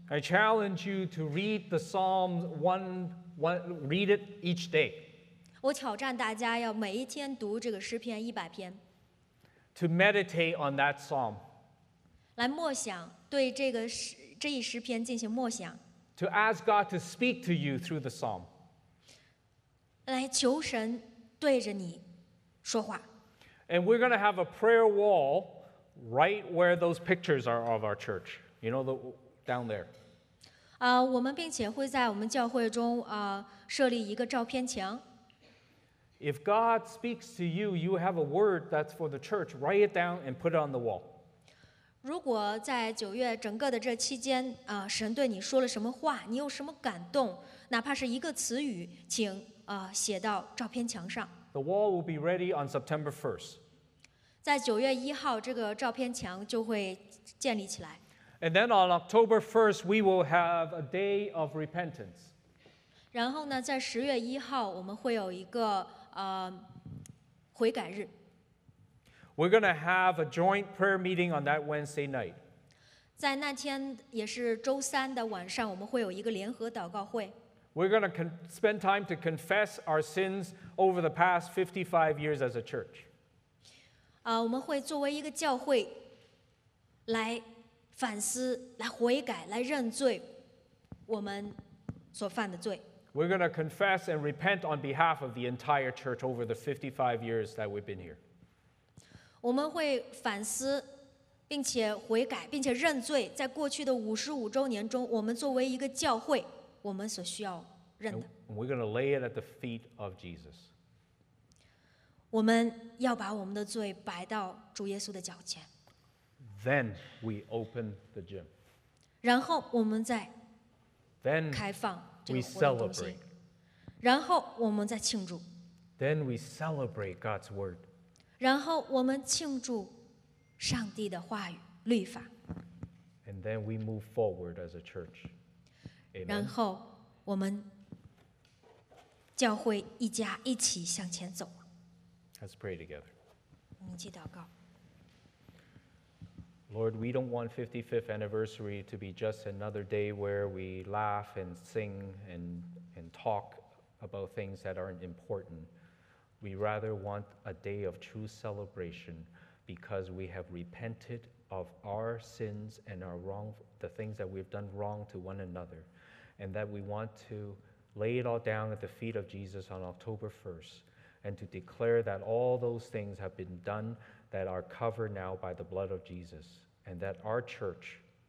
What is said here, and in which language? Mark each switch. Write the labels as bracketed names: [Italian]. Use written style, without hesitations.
[English] I challenge you to read the Psalm read it each day. [Chinese] 我挑战大家要每一天读这个诗篇100篇。 [English] To meditate on that psalm. [Chinese] 来默想，对这一诗篇进行默想。 [English] To ask God to speak to you through the psalm. [Chinese] 来求神对着你说话。 [English] And we're going to have a prayer wall right where those pictures are of our church. You know, down there. [Chinese] 我们并且会在我们教会中设立一个照片墙。 [English] If God speaks to you, you have a word that's for the church. Write it down and put it on the wall. [Chinese] 如果在九月整个的这期间，神对你说了什么话，你有什么感动，哪怕是一个词语，请写到照片墙上。 [English] The wall will be ready on September 1st. [Chinese] 在九月一号，这个照片墙就会建立起来。 [English] And then on October 1st, we will have a day of repentance. [Chinese] 然后呢，在十月一号，我们会有一个悔改日。 [English] We're going to have a joint prayer meeting on that Wednesday night. [Chinese] 在那天也是周三的晚上，我们会有一个联合祷告会。 [English] We're going to spend time to confess our sins over the past 55 years as a church. [Chinese] 我们会作为一个教会来反思、来悔改、来认罪我们所犯的罪。 [English] We're going to confess and repent on behalf of the entire church over the 55 years that we've been here. [Chinese] 我们会反思并且悔改并且认罪在过去的55周年中我们作为一个教会我们所需要认的。 [English] And we're going to lay it at the feet of Jesus. [Chinese] 我们要把我们的罪摆到主耶稣的脚前。 [English] Then we open the gym. [Chinese] 然后我们再开放。 [English] We celebrate. [Chinese] 然后我们再庆祝。 [English] Then we celebrate God's word. [Chinese] 然后我们庆祝上帝的话语、律法。 [English] And then we move forward as a church. Amen. [Chinese] 然后我们教会一家一起向前走。 [English] Let's pray together. [Chinese] 我们一起祷告。 [English] Lord, we don't want 55th anniversary to be just another day where we laugh and sing and talk about things that aren't important. We rather want a day of true celebration because we have repented of our sins and our wrong, the things that we've done wrong to one another, and that we want to lay it all down at the feet of Jesus on October 1st and to declare that all those things have been done that are covered now by the blood of Jesus, and that our church